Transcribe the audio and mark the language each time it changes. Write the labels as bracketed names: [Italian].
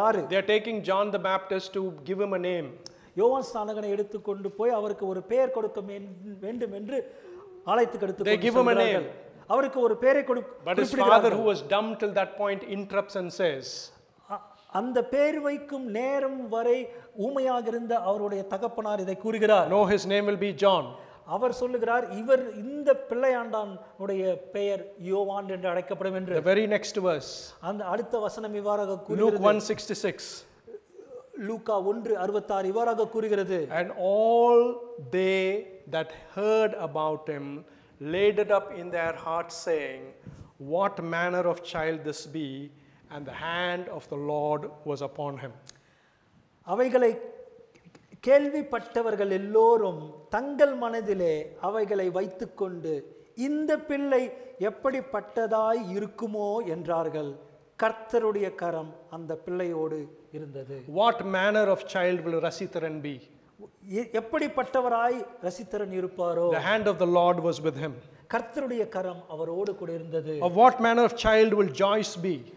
[English] They are taking John the Baptist to give him a name. [Tamil] யோவான் ஸ்நானகனை எடுத்துக்கொண்டு போய் அவருக்கு ஒரு பெயர் கொடுக்க வேண்டும் என்று அழைத்து கொடுத்து [English] they give him a name. [Tamil] அவருக்கு ஒரு பெயரை கொடு. [English] But his father, who was dumb till that point, interrupts and says, [Tamil] அந்த பெயர் வைக்கும் நேரம் வரை ஊமையாக இருந்த அவருடைய தகப்பனார் இதை கூறுகிறார், [English] No, his name will be John. [Tamil] அவர் சொல்லுகிறார், இவர் இந்த பிள்ளையாண்டானுடைய பெயர் யோவான் என்று அழைக்கப்படும் என்று. [English] The very next verse. [Tamil] அந்த அடுத்த வசனம் இவ்வாறாக கூறுகிறது. [English] Luke 1:66. [Tamil] Luke 1:66 இவ்வாறாக கூறுகிறது. [English] And all they that heard about him laid it up in their hearts, saying, What manner of child this be? And the hand of the Lord was upon him. [Tamil] அவைகளை கேள்விப்பட்டவர்கள் எல்லோரும் தங்கள் மனதிலே அவைகளை வைத்துக்கொண்டு, இந்த பிள்ளை எப்படிப்பட்டதாய் இருக்குமோ என்றார்கள். கர்த்தருடைய கரம் அந்த பிள்ளையோடு இருந்தது. [English] What manner of child will Rasitharan be? [Tamil] எப்படிப்பட்டவராய் ரசித்தரன் இருப்பாரோ. [English] The hand of the Lord was with him. [Tamil] கர்த்தருடைய கரம் அவரோடு கூட இருந்தது. [English] Of what manner of child will Joyce be?